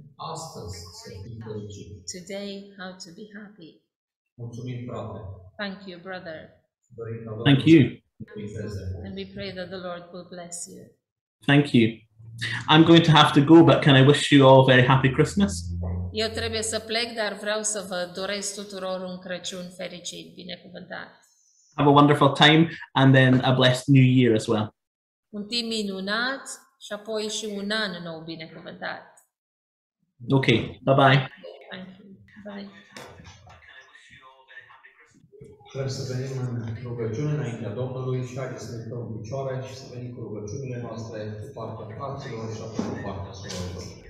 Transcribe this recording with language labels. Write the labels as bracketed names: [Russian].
[Romanian] Astăzi, să fii fericit. [English] Today, how to be happy. [Romanian] Mulțumim, frate. [English] Thank you, brother. Thank you. And we pray that the Lord will bless you. Thank you. I'm going to have to go, but can I wish you all a very happy Christmas? [Romanian] Eu trebuie să plec, dar vreau să vă doresc tuturor un Crăciun fericit, binecuvântat. [English] Have a wonderful time and then a blessed new year as well. [Romanian] Un timp minunat. Și apoi și un an nou binecuvântat. [English] Ok, bye-bye. Bye. [Romanian] Sper să venim în rugăciune înaintea Domnului și hai să ne dăm picioare și să venim cu rugăciunile noastre cu partea fraților și cu partea surorilor.